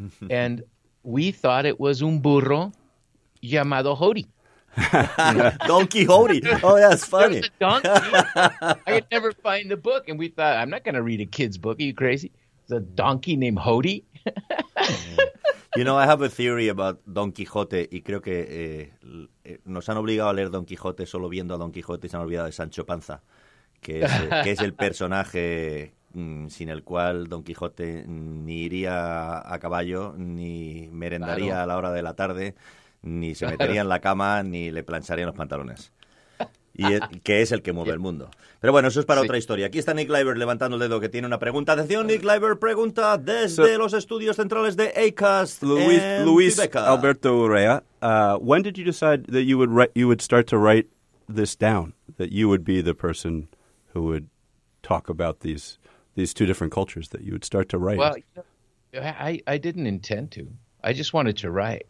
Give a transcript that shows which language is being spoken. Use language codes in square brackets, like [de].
[en] And we thought it was [es] un burro llamado Jody. [en] Don Quixote. Oh, that's funny. There was a donkey. I could never find the book. And we thought, I'm not going to read a kid's book. Are you crazy? It's a donkey named Jody. You know, I have a theory about Don Quixote. [es] Y creo que nos han obligado a leer Don Quixote solo viendo a Don Quixote y se han olvidado de Sancho Panza, que es el personaje sin el cual Don Quijote ni iría a caballo, ni merendaría a la hora de la tarde, ni se metería en la cama, ni le plancharían los pantalones. Y que es el que mueve el mundo. Pero bueno, eso es para otra historia. Aquí está Nick Leiber levantando el dedo, que tiene una pregunta. Atención, Nick Leiber pregunta desde los estudios centrales de Acast. [en] Luis Alberto Urrea, when did you decide that you would start to write this down, that you would be the person who would talk about these two different cultures that you would start to write? Well, I didn't intend to. I just wanted to write.